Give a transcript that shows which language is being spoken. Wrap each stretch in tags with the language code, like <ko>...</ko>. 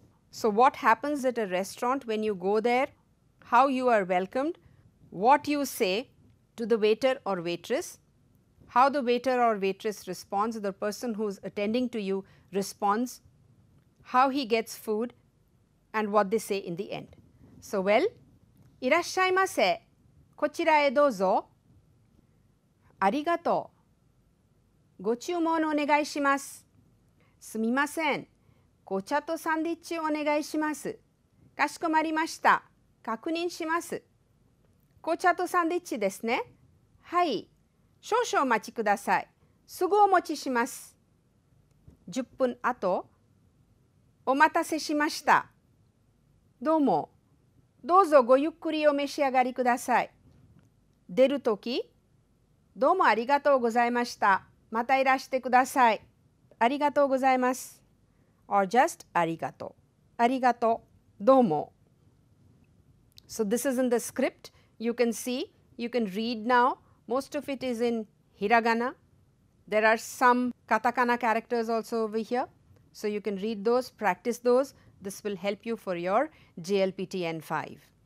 <en>So what happens at a restaurant when you go there, how you are welcomed, what you say to the waiter or waitress, how the waiter or waitress responds, the person who is attending to you responds, how he gets food, and what they say in the end. So, well,</en> <ja>いらっしゃいませ, こちらへどうぞ, ありがとう, ご注文お願いします, すみません,紅茶とサンドイッチお願いします, かしこまりました, 確認します, 紅茶とサンドイッチですね, はい, 少々お待ちください, すぐお持ちします, 10分後, お待たせしました, どうも, どうぞごゆっくりお召し上がりください, 出る時, どうもありがとうございました, またいらしてください, ありがとうございます,</ja> <en>or just</en> <ja>ありがとう, ありがとう, どうも.</ja> <en>So this is in the script, you can see, you can read now, most of it is in hiragana, there are some katakana characters also over here, so you can read those, practice those, this will help you for your JLPT N5.</en>